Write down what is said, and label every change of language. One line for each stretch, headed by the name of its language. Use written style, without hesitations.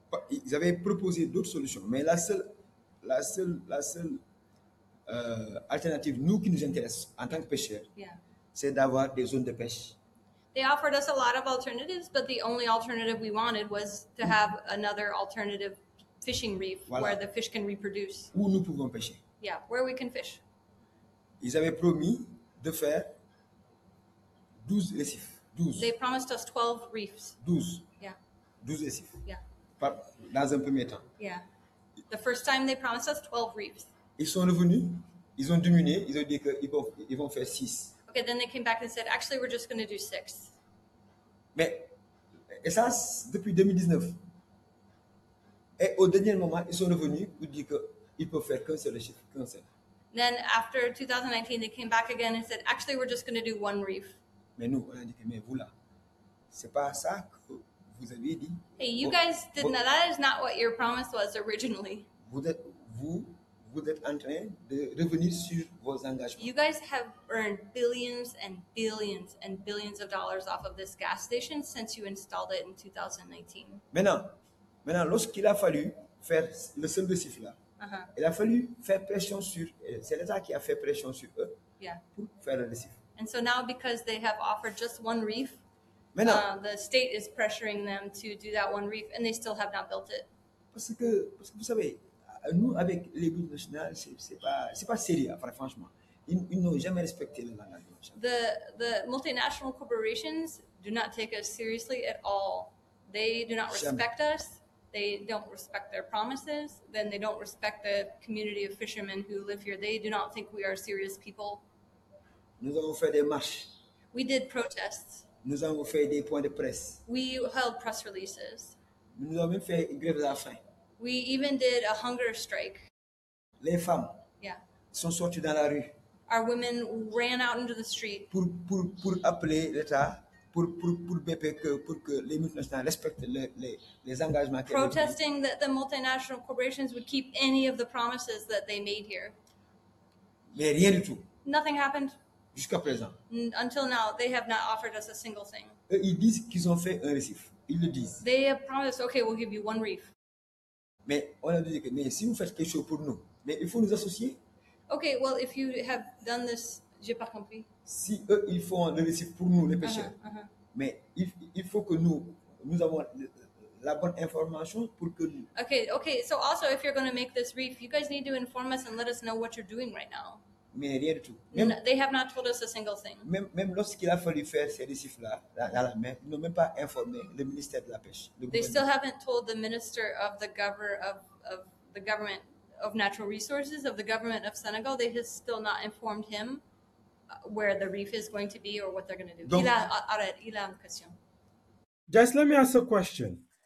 French: Ils avaient proposé d'autres solutions, mais la seule alternative, nous qui nous intéresse en tant que pêcheurs,
English: yeah.
French: c'est d'avoir des zones de pêche.
English: They offered us a lot of alternatives, but the only alternative we wanted was to have another alternative fishing reef
French: voilà.
English: where the fish can reproduce.
French: Où nous pouvons pêcher.
English: Yeah, where we can fish.
French: Ils avaient promis de faire 12 récifs. 12.
English: They promised us 12 reefs. 12. Yeah.
French: 12 récifs.
English: Yeah.
French: Dans un premier temps.
English: Yeah. The first time they promised us 12 reefs.
French: Ils sont revenus. Ils ont diminué. Ils ont dit qu'ils vont faire 6.
English: Okay, then they came back and said, actually, we're just going to do 6.
French: Mais, et ça, depuis 2019. Et au dernier moment, ils sont revenus pour dire qu'ils peuvent faire qu'un seul chiffre, qu'un seul.
English: Then after 2019, they came back again and said, actually, we're just going to do one reef.
French: Mais nous, on a dit, mais vous là, c'est pas ça que vous aviez dit.
English: Hey, you guys didn't know. That is not what your promise was originally.
French: Vous êtes en train de revenir sur vos engagements.
English: You guys have earned billions and billions and billions of dollars off of this gas station since you installed it in 2019.
French: Maintenant, lorsqu'il a fallu faire le seul récif là, uh-huh. Il a fallu faire pression sur, c'est l'État qui a fait pression sur eux
English: yeah.
French: pour faire le récif.
English: And so now because they have offered just one reef, the state is pressuring them to do that one reef and they still have not built it.
French: Parce que vous savez, nous avec les groupes nationaux, c'est pas sérieux, franchement. Ils n'ont jamais respecté la langue.
English: The multinational corporations do not take us seriously at all. They do not respect
French: jamais.
English: Us. They don't respect their promises, then they don't respect the community of fishermen who live here. They do not think we are serious people.
French: Nous avons fait des marches.
English: We did protests.
French: Nous avons fait des points de presse.
English: We held press releases.
French: Nous avons fait une grève de la faim.
English: We even did a hunger strike.
French: Les femmes
English: yeah.
French: sont sorties dans la rue.
English: Our women ran out into the street.
French: Pour appeler l'État. Pour BP pour que les multinationales respectent les engagements
English: protesting that the multinational corporations would keep any of the promises that they made here.
French: Mais rien du tout.
English: Nothing happened.
French: Jusqu'à présent.
English: Until now, they have not offered us a single thing.
French: Et ils disent qu'ils ont fait un récif. Ils le disent.
English: They have promised, okay, we'll give you one reef.
French: Mais on a dit que mais si vous faites quelque chose pour nous, mais il faut nous associer.
English: Okay, well, if you have done this,
French: j'ai pas compris. Si eux, ils font le récif pour nous, les pêcheurs, uh-huh, uh-huh. mais il faut que nous avons la bonne information pour que nous...
English: Okay, so also, if you're going to make this reef, you guys need to inform us and let us know what you're doing right now.
French: Mais rien du tout.
English: They have not told us a single thing.
French: Même lorsqu'il a fallu faire ces récifs-là, à la main, ils n'ont même pas informé le ministère de la pêche.
English: They still haven't told the minister of the government of natural resources, of the government of Senegal, they have still not informed him. Where the reef is going to be or what they're going to do.
French: Donc, il a une question.
English: Just let me ask a question.